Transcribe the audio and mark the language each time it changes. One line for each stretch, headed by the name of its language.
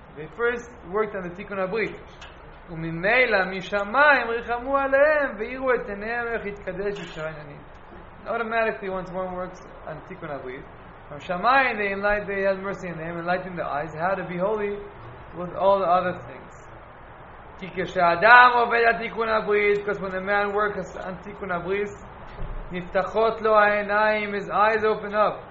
English: They first worked on the תיקון הברית.
Hebrew: וממילא משמיים ריחמו עליהם ואירו את עיניהם איך התקדש ישר העניינים.
English: Automatically, once one works on Tikkun HaBrit, from Shamayim, they had mercy on them, enlightened their eyes, how to be holy with all the other things.
Hebrew: Ki kesheadam oved Tikkun HaBrit,
English: because when a man works on Tikkun HaBrit,
Hebrew: niftachot lo ha'enayim,
English: his eyes open up.